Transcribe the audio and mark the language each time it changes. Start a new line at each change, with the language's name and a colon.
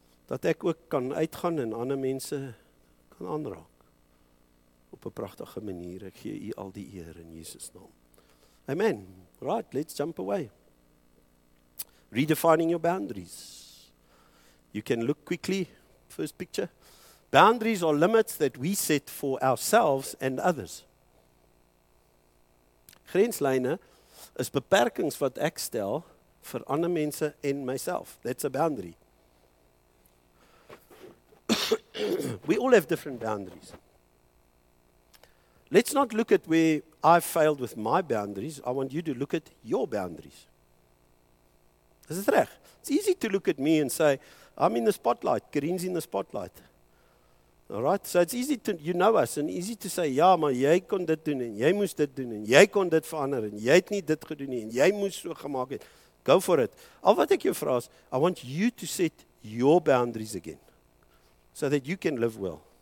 Afrikaans: Dat ek ook kan uitgaan en ander mense kan aanraak. Op 'n pragtige manier. Ek gee U al die eer in Jesus naam.
English: Amen. Right, let's jump away. Redefining your boundaries. You can look quickly. First picture. Boundaries are limits that we set for ourselves and others.
Afrikaans: Grenslyne is beperkings wat ek stel vir ander mense en myself.
English: That's a boundary. We all have different boundaries. Let's not look at where I've failed with my boundaries, I want you to look at your boundaries. Is it right? It's easy to look at me and say, I'm in the spotlight, Karine's in the spotlight. All right? So it's easy to, you know us, and easy to say,
Afrikaans: ja, maar jy kon dit doen, en jy moes dit doen, en jy kon dit verander, en jy het nie dit gedoen nie, en jy moes so gemaak het.
English: Go for it.
Afrikaans: Al wat ek jou vra is,
English: I want you to set your boundaries again, so that you can live well.